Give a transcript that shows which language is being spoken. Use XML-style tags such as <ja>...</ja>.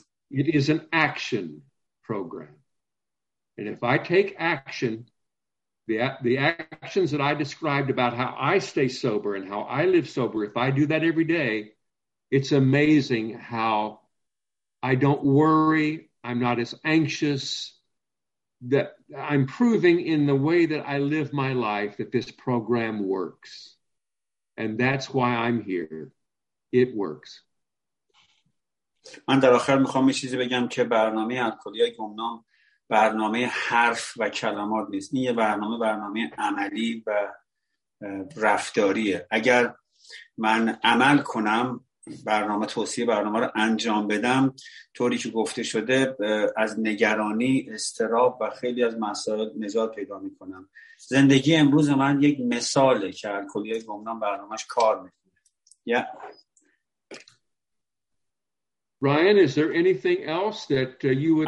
<en>It is an action program. And if I take action, the actions that I described about how I stay sober and how I live sober, if I do that every day, it's amazing how I don't worry, I'm not as anxious, that I'm proving in the way that I live my life that this program works. And that's why I'm here. It works.</en> <fa>من در آخر میخوام یه چیزی بگم که برنامه الکلیه گمنام برنامه حرف و کلمات نیست. این یه برنامه عملی و رفتاریه. اگر من عمل کنم برنامه توصیه برنامه رو انجام بدم طوری که گفته شده از نگرانی، استراب و خیلی از مسائل نجات پیدا می کنم. زندگی امروز من یک مثاله که الکلیه گمنام برنامهش کار می کنه.</fa> <en>Yeah. Ryan, is there anything else that you would</en>